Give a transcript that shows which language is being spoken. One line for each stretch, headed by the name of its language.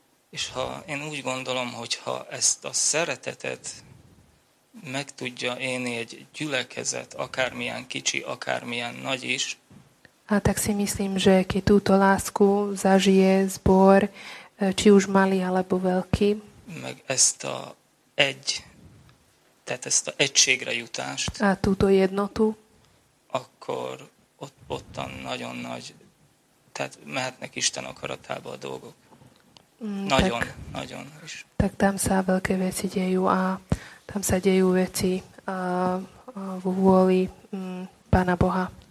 Hungarian: És ha én úgy gondolom, hogy ha ezt a szeretetet meg tudja élni egy gyülekezet, akármilyen kicsi, akármilyen nagy is.
Slovak: A tak si myslím, že keď túto lásku zažije zbor, či už malý alebo veľký.
Hungarian: Meg ezt a egy... Tehát ezt a egységre jutást.
Slovak: A túto jednotu.
Hungarian: Akkor ottan nagyon nagy, tehát mehetnek Isten akaratába a dolgok. Nagyon is.
Slovak: Tak tam sa veľké veci dejú a tam sa dejú veci v vôli Pána Boha.